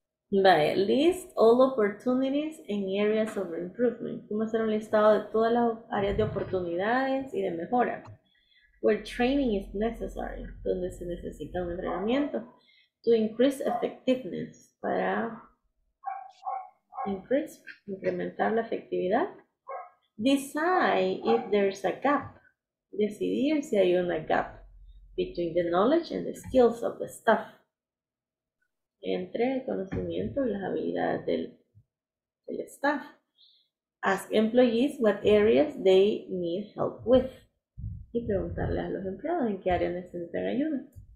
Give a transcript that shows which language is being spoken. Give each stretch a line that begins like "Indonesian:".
English: Vale, list all opportunities and areas of improvement.
Spanish: Vamos a hacer un listado de todas las áreas de oportunidades y de mejora.
English: Where training is necessary,
Spanish: donde se necesita un entrenamiento.
English: To increase effectiveness,
Spanish: para incrementar la efectividad.
English: Decide if there's a gap.
Spanish: Decidir si hay una
English: gap between the knowledge and the skills of the staff.
Spanish: Entre el conocimiento y las habilidades del staff.
English: Ask employees what areas they need help with.
Spanish: Y preguntarle a los empleados en qué área necesitan ayuda.